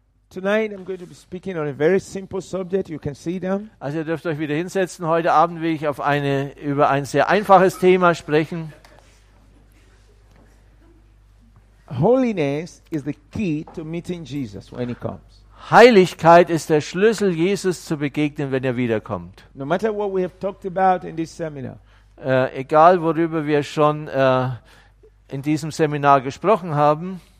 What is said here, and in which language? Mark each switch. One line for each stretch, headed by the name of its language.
English: Tonight I'm going to be speaking on a very simple subject. You can see them.
German: Also ihr dürft euch wieder hinsetzen. Heute Abend will ich über ein sehr einfaches Thema sprechen.
English: Holiness is the key to meeting Jesus when he comes.
German: Heiligkeit ist der Schlüssel, Jesus zu begegnen, wenn er wiederkommt.
English: No matter what we have talked about in this seminar.
German: Egal worüber wir schon in diesem Seminar gesprochen haben.